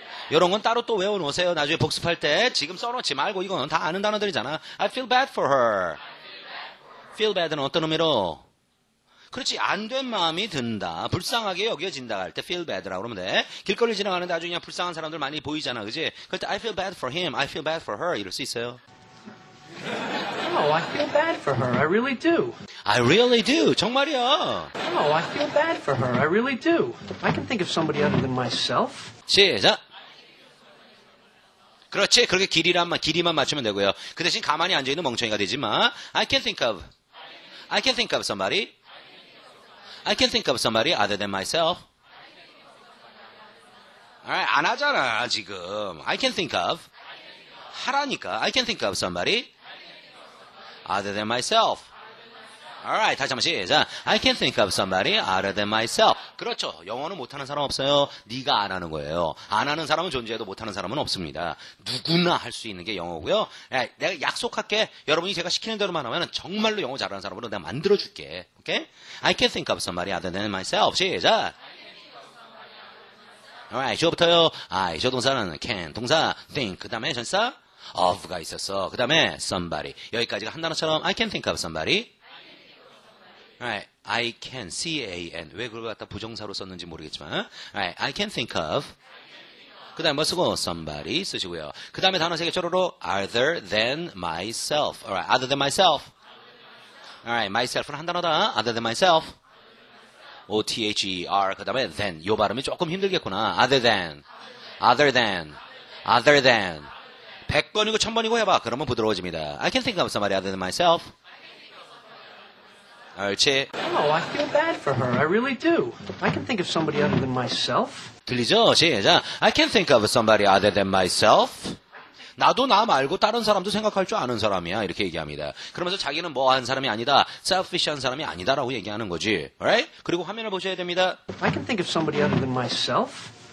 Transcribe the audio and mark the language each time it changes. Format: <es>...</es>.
<ko>이런 건 따로 또 외워놓으세요. 나중에 복습할 때. 지금 써놓지 말고. 이건 다 아는 단어들이잖아.</ko> <en>I feel bad for her. feel bad는</en> <ko>어떤 의미로? 그렇지, 안 된 마음이 든다. 불쌍하게 여겨진다 할 때 feel bad라고 그러면 돼. 길거리 지나가는데 아주 그냥 불쌍한 사람들 많이 보이잖아, 그지? 그럴 때</ko> <en>I feel bad for him, I feel bad for her</en> <ko>이럴 수 있어요.</ko> <en>Oh, I feel bad for her, I really do. I really do,</en> <ko>정말이야.</ko> <en>Oh, I feel bad for her, I really do. I can think of somebody other than myself.</en> <ko>시작! 그렇지, 그렇게 길이만 맞추면 되고요. 그 대신 가만히 앉아있는 멍청이가 되지 마.</ko> <en>I can think of. I can think of somebody. I can think of somebody other than myself. Alright,</en> <ko>안 하잖아, 지금.</ko> <en>I can think of.</en> <ko>하라니까.</ko> <en>I can think of somebody. Other than myself.</en> <ko>Alright, 다시 한번 시작.</ko> <en>I can think of somebody other than myself.</en> <ko>그렇죠. 영어는 못하는 사람 없어요. 네가 안 하는 거예요. 안 하는 사람은 존재해도 못하는 사람은 없습니다. 누구나 할 수 있는 게 영어고요. 내가 약속할게. 여러분이 제가 시키는 대로만 하면 정말로 영어 잘하는 사람으로 내가 만들어줄게.</ko> <en>오케이? I can think of somebody other than myself.</en> <ko>시작. Alright, 이제부터요. I, 저 동사는 can, 동사, think, 그 다음에 전사, of가 있었어. 그 다음에 somebody. 여기까지가 한 단어처럼</ko> <en>I can think of somebody. Alright, I can, C-A-N.</en> <ko>왜 그걸 갖다 부정사로 썼는지 모르겠지만. Alright,</ko> <en>I can think of.</en> <ko>그 다음에 뭐 쓰고? somebody 쓰시고요. 그 다음에 단어 세 개 절호로</ko> <en>other than myself. Alright, other than myself. Alright, myself은</en> <ko>한 단어다.</ko> <en>Other than myself. O-T-H-E-R. 그 다음에 than.</en> <ko>요 발음이 조금 힘들겠구나.</ko> <en>Other than. Other than. Other than.</en> <ko>100번이고 1000번이고 해봐. 그러면 부드러워집니다.</ko> <en>I can think of somebody other than myself.</en> <ko>알지?</ko> <en>Oh, I feel bad for her. I really do. I can think of somebody other than myself.</en> <ko>들리죠? 시작.</ko> <en>I can think of somebody other than myself.</en> <ko>나도 나 말고 다른 사람도 생각할 줄 아는 사람이야. 이렇게 얘기합니다. 그러면서 자기는 뭐 한 사람이 아니다. selfish 한 사람이 아니다라고 얘기하는 거지. Alright? 그리고 화면을 보셔야 됩니다.</ko> <en>I can think of somebody other than myself.</en>